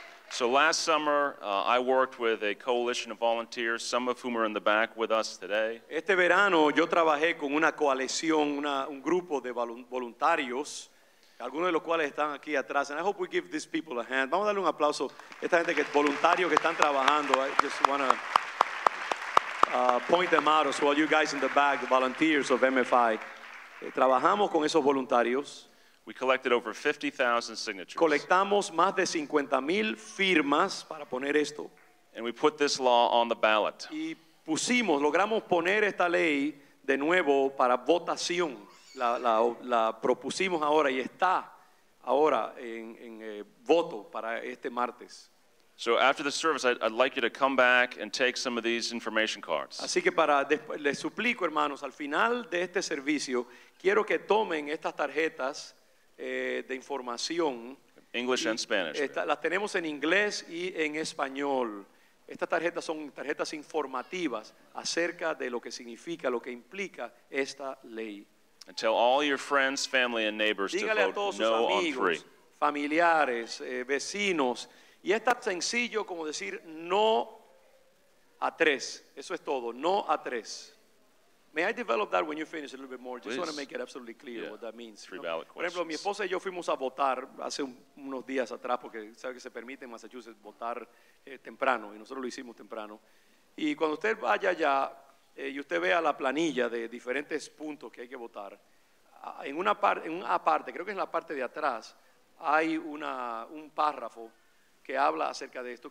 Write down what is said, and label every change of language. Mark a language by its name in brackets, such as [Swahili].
[English] So last summer, I worked with a coalition of volunteers, some of whom are in the back with us today. [Spanish] Este verano, yo trabajé con una coalición, un grupo de voluntarios, algunos de los cuales están aquí atrás. [English] And I hope we give these people a hand. [Spanish] Vamos a darle un aplauso a esta gente que es voluntario, que están trabajando. [English] I just want to point them out as well. You guys in the back, the volunteers of MFI. [Spanish] Trabajamos con esos voluntarios. [English] We collected over 50,000 signatures. [Spanish] Colectamos más de 50,000 firmas para poner esto. [English] And we put this law on the ballot. [Spanish] Y pusimos, logramos poner esta ley de nuevo para votación. La propusimos ahora y está ahora en voto para este martes. [English] So after the service, I'd like you to come back and take some of these information cards. [Spanish] Así que para les suplico, hermanos, al final de este servicio, quiero que tomen estas tarjetas de información. [English] English and Spanish. [Spanish] Las tenemos en inglés y en español. Estas tarjetas son tarjetas informativas acerca de lo que significa, lo que implica esta ley. [English] And tell all your friends, family, and neighbors [Spanish] dígale [English] to vote no [Spanish] amigos, [English] on three. [Spanish] Familiares, vecinos. Y es tan sencillo como decir no a tres. Eso es todo, no a tres. [English] May I develop that when you finish a little bit more? Just want to make it absolutely clear what that means. Three ballot questions. [Spanish] Por ejemplo, mi esposa y yo fuimos a votar hace unos días atrás porque sabe que se permite en Massachusetts votar temprano y nosotros lo hicimos temprano. Y cuando usted vaya allá y usted vea la planilla de diferentes puntos que hay que votar, en una parte, creo que en la parte de atrás, hay un párrafo que habla acerca de esto.